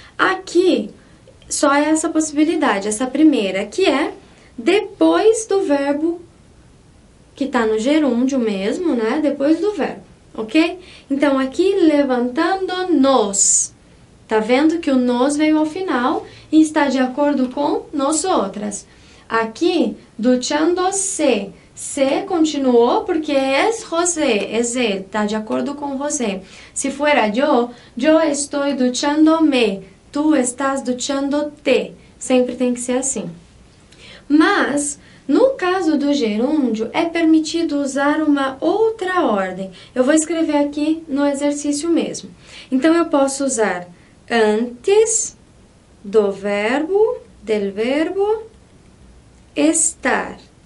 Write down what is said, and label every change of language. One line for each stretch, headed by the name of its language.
Portuguese: Aqui, só é essa possibilidade, essa primeira, que é depois do verbo que está no gerúndio mesmo, né? Depois do verbo. Ok? Então, aqui, levantando nós. Tá vendo que o nós veio ao final e está de acordo com nós outras. Aqui, duchando-se. Se continuou porque é José. É Zé. Tá de acordo com José.
Spanish: Se fuera yo, yo estoy duchando-me. Tu estás duchando-te.
Portuguese: Sempre tem que ser assim. Mas, no caso do gerúndio, é permitido usar uma outra ordem. Eu vou escrever aqui no exercício mesmo. Então, eu posso usar antes do verbo, del verbo, estar.